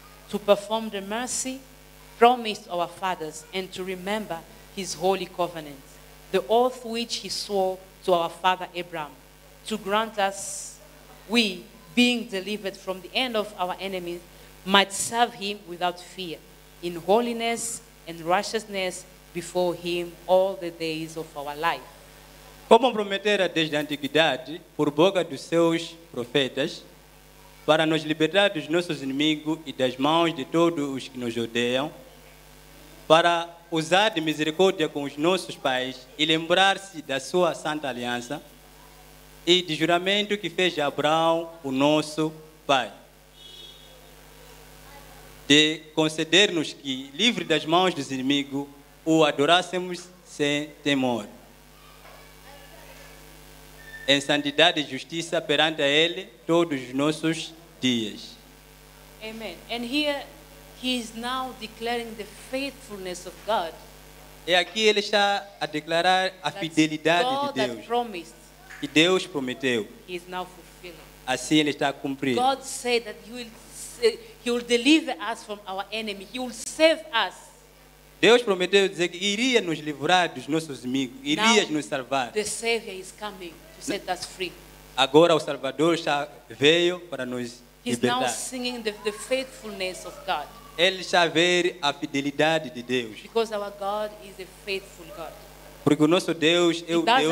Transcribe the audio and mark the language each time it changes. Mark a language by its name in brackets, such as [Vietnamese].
[English] to perform the mercy promised our fathers and to remember his holy covenant, the oath which he swore to our father Abraham, to grant us, we, being delivered from the end of our enemies, might serve him without fear, in holiness and righteousness before him all the days of our life. [Portuguese] Como prometera desde a antiguidade, por boca dos seus profetas, para nos libertar dos nossos inimigos e das mãos de todos os que nos odeiam, para usar de misericórdia com os nossos pais e lembrar-se da sua santa aliança e de juramento que fez Abraão, o nosso pai. De conceder-nos que, livre das mãos dos inimigos, o adorássemos sem temor. Em santidade e justiça perante a Ele todos os nossos dias. Amen. [English] And here he is now declaring the faithfulness of God. [Portuguese] E aqui ele está a declarar a fidelidade de Deus. [English] That promised, [Portuguese] e Deus prometeu. [English] He is now fulfilling. [Portuguese] Assim ele está a cumprir. [English] God said that He will deliver us from our enemy. He will save us. [Portuguese] Deus prometeu dizer que iria nos livrar dos nossos inimigos, iria nos salvar. [English] The Savior is coming to set us free. [Portuguese] Agora o Salvador já veio para nos libertar. [English] He's now singing the faithfulness of God. [Portuguese] Ele já vê a fidelidade de Deus. [English] Because our God is a faithful God. [Portuguese] Porque o nosso Deus é o Deus fiel.